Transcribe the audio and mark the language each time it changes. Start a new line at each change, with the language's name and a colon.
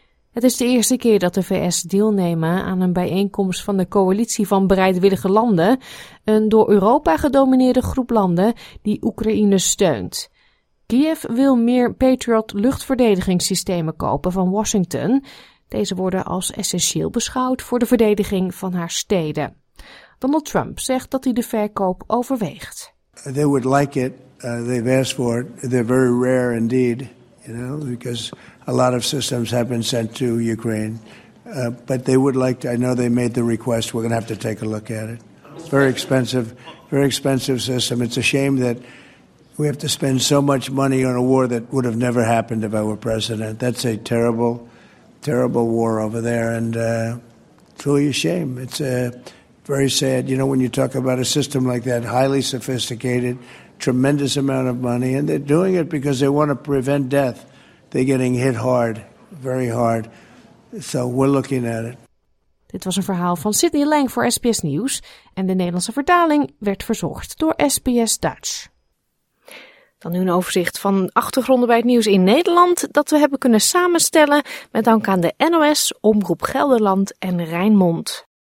Dutch: Het is de eerste keer dat de VS deelnemen aan een bijeenkomst van de coalitie van bereidwillige landen, een door Europa gedomineerde groep landen die Oekraïne steunt. Kiev wil meer Patriot luchtverdedigingssystemen kopen van Washington. Deze worden als essentieel beschouwd voor de verdediging van haar steden. Donald Trump zegt dat hij de verkoop overweegt.
English: They would like it. They've asked for it. They're very rare indeed, you know, because a lot of systems have been sent to Ukraine. But they would like to. I know they made the request. We're going to have to take a look at it. Very expensive system. It's a shame that we have to spend so much money on a war that would have never happened if I were president. That's a terrible, terrible war over there, and it's really a shame. It's a very sad, you know, when you talk about a system like that, highly sophisticated, tremendous amount of money, and they're doing it because they want to prevent death. They're getting hit hard, very hard. So we're looking at it.
Dutch: Dit was een verhaal van Sydney Lang voor SBS Nieuws en de Nederlandse vertaling werd verzorgd door SBS Dutch. Dan nu een overzicht van achtergronden bij het nieuws in Nederland dat we hebben kunnen samenstellen met dank aan de NOS, Omroep Gelderland en Rijnmond.